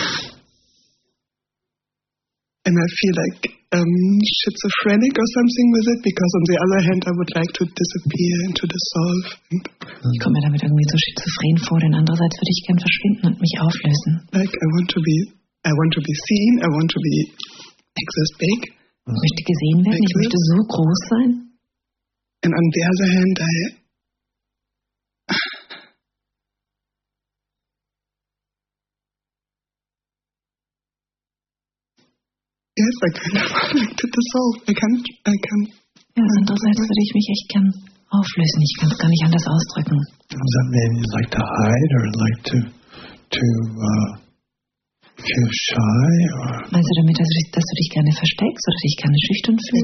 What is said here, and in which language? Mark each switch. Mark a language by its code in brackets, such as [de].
[en] And I feel like schizophrenic or something with it, because on the other hand I would like to disappear and to dissolve. [de] Ich komme mir damit irgendwie so schizophren vor, denn andererseits würde ich gern verschwinden und mich auflösen. [en] Like I want to be seen, I want to be exist big. [de] Ich möchte gesehen werden, ich möchte so groß sein. [en] And on the other hand I can't. [de] Ja, andererseits würde ich mich echt gern auflösen. Ich kann es gar nicht anders ausdrücken. [en] Does that mean you like to hide or like to feel shy? [de] Meinst du damit, dass du dich gerne versteckst oder dich gerne schüchtern fühlst?